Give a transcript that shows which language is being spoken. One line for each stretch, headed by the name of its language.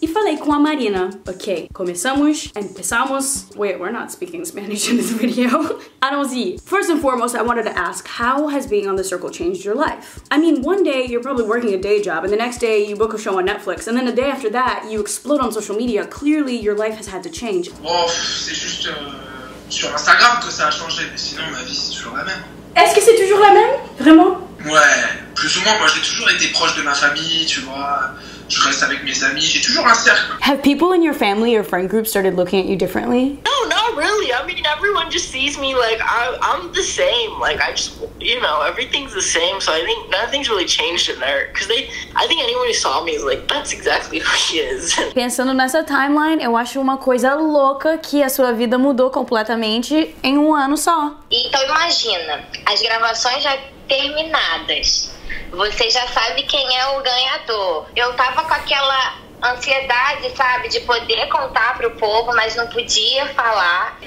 Portuguese: Et falei com a Marina. Okay, começamos.
Spanish: Empezamos.
English: Wait, we're not speaking Spanish in this video.
French: Allons-y.
English: First and foremost, I wanted to ask, how has being on The Circle changed your life? I mean, one day you're probably working a day job, and the next day you book a show on Netflix, and then the day after that you explode on social media. Clearly, your life has had to change.
French: Oh, c'est juste sur Instagram que ça a changé, mais sinon ma vie c'est toujours la même. Est-ce que c'est toujours la même, vraiment? Ouais, plus ou moins. Moi, j'ai toujours été proche de ma famille, tu vois. Je reste avec mes amis. J'ai toujours un cercle.
English: Have people in your family or friend group started looking at you differently? No, not really. I mean, everyone just sees me like I'm the same. Like I just, you know, everything's the same. So I think nothing's really changed in there. Cause I think anyone who saw me is like, that's exactly who he is.
Portuguese: Pensando nessa timeline, eu acho uma coisa louca que a sua vida mudou completamente em um ano só. Então imagina, as gravações já terminadas. Você já sabe quem é o ganhador. Eu tava com aquela ansiedade, sabe, de poder contar pro povo, mas não podia falar.